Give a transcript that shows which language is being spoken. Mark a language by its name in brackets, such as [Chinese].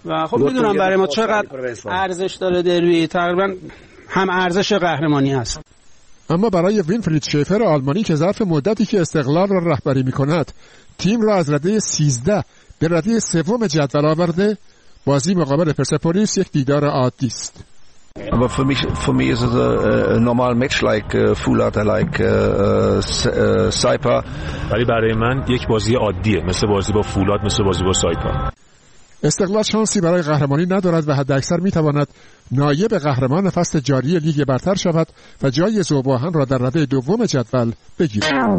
[Persian] و خب میدونم برای ما چقدر ارزش داره دربی، تقریبا هم ارزش قهرمانی است. اما برای وینفرید شیفر آلمانی که ظرف مدتی که استقلال را رهبری میکند تیم را از رده 13 به رده 3 جدول آورده، بازی مقابل پرسپولیس یک دیدار عادی است. [German] Aber für mich ist es ein normaler Match, [English] like Fulata, like Saipa. [Persian] ولی برای من یک بازی عادیه، مثل بازی با فولاد، مثل بازی با سایپا. استقلال شانسی برای قهرمانی ندارد و حداکثر میتواند نایب قهرمان فصل جاری لیگ برتر شود و جای زوباهن را در رده دوم جدول بگیرد.